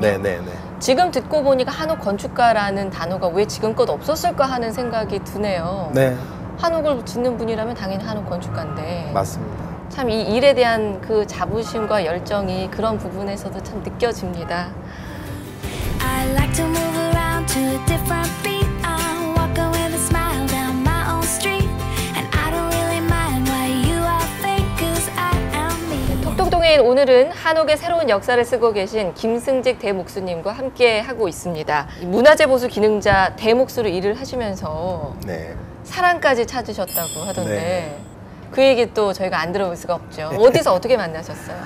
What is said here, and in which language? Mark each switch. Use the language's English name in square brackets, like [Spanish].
[Korean] 네, 네, 네. 지금 듣고 보니까 한옥 건축가라는 단어가 왜 지금껏 없었을까 하는 생각이 드네요. 네. 한옥을 짓는 분이라면 당연히 한옥 건축가인데. 맞습니다. 참 이 일에 대한 그 자부심과 열정이 그런 부분에서도 참 느껴집니다. [English] I like to move around to a different beat. I'm walking with a smile down my own street. And I don't really mind why you are fake cause I am me. [Korean] 톡톡톡인 오늘은 한옥의 새로운 역사를 쓰고 계신 김승직 대목수님과 함께 하고 있습니다. 문화재 보수 기능자 대목수로 일을 하시면서 네. 사랑까지 찾으셨다고 하던데 네. 그 얘기 또 저희가 안 들어볼 수가 없죠. 어디서 어떻게 만나셨어요?